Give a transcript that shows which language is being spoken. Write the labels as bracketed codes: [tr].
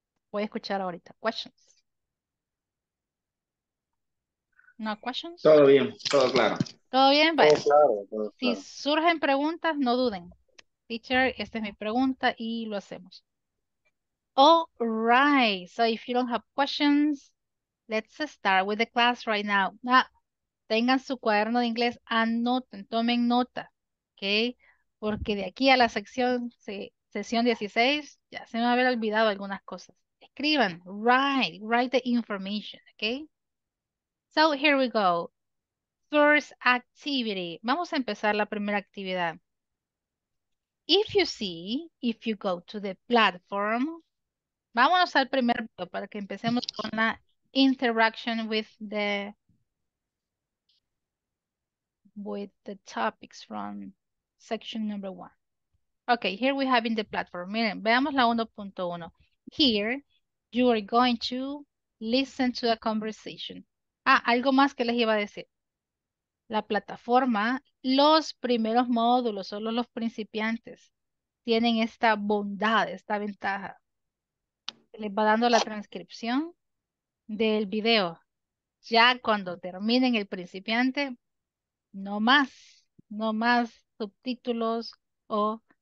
[es] Voy a escuchar ahorita. [en] ¿Questions? ¿No questions? [es] Todo bien, todo claro. ¿Todo bien? Todo claro, todo claro. Si surgen preguntas, no duden. Teacher, esta es mi pregunta y lo hacemos. [en] All right. So if you don't have questions, let's start with the class right now. [es] Now, tengan su cuaderno de inglés, anoten, tomen nota. ¿Ok? Porque de aquí a la sección, sesión 16, ya se me va a haber olvidado algunas cosas. Escriban, [en] write the information, okay? So here we go. First activity. [es] Vamos a empezar la primera actividad. [en] If you see, if you go to the platform, [es] vámonos al primer video para que empecemos con la [en] interaction with the topics from section number 1. Okay, here we have in the platform. [es] Miren, veamos la 1.1. [en] Here, you are going to listen to a conversation. [es] Ah, algo más que les iba a decir. La plataforma, los primeros módulos, solo los principiantes, tienen esta bondad, esta ventaja. Les va dando la transcripción del video. Ya cuando terminen el principiante, no más subtítulos o